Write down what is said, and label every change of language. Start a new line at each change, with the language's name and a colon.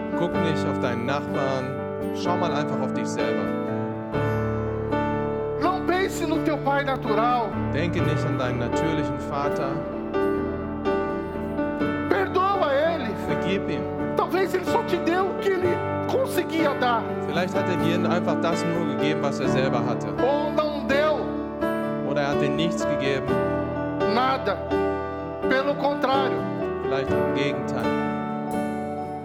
German: Guck nicht auf deinen Nachbarn. Schau mal einfach auf dich selber.
Portuguese: Não pense no teu pai natural.
German: Denke nicht an deinen natürlichen Vater.
Portuguese: Perdoa ele.
German: Vergib ihm.
Portuguese: Talvez ele só te deu o que ele conseguia dar.
German: Vielleicht hat dir einfach das nur gegeben, was selber hatte.
Portuguese: Ou não deu.
German: Oder hat dir nichts gegeben.
Portuguese: Nada. Pelo contrário.
German: Vielleicht im Gegenteil.